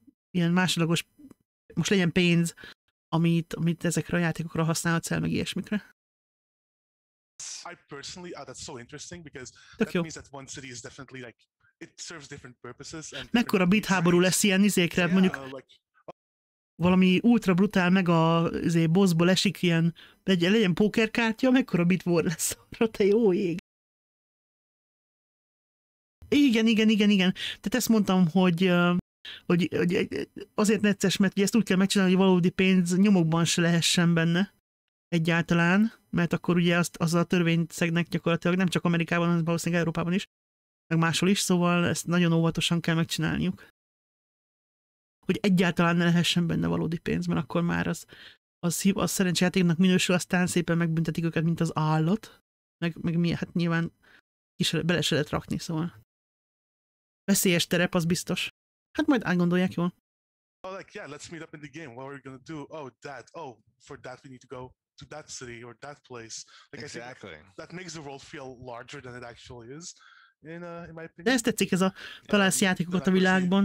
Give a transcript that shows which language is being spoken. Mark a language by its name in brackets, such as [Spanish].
[Hungarian] Ilyen másodlagos, most legyen pénz, amit ezekre a játékokra használhatsz el, meg ilyesmikre. [English] I personally, that's so interesting because [Hungarian] tök [English] that jó. Means that one city is definitely like it serves different purposes. [Hungarian] Mekkora bit háború lesz ilyen izékre, [English] yeah, [Hungarian] mondjuk valami ultra brutál meg a bossból esik ilyen, legyen pókerkártya, mekkora bit war lesz arra, te jó ég. Igen. Tehát ezt mondtam, hogy azért necces, mert ezt úgy kell megcsinálni, hogy valódi pénz nyomokban se lehessen benne egyáltalán, mert akkor ugye az a törvényszegnek gyakorlatilag nem csak Amerikában, hanem valószínűleg Európában is, meg máshol is, szóval ezt nagyon óvatosan kell megcsinálniuk. Hogy egyáltalán ne lehessen benne valódi pénz, mert akkor már az szerencsejátéknak minősül, aztán szépen megbüntetik őket, mint az állat, meg mi, hát nyilván bele se lehet rakni, szóval. Veszélyes terep, az biztos. Hát majd átgondolják jól. [English] Oh, like, yeah, let's meet up in the game. What are we gonna do? Oh, that. Oh, for that we need to go to that city or that place. Like, exactly. I think that makes the world feel larger than it actually is, in my opinion. [Hungarian] De ezt tetszik, ez a találsz játékokat a világban.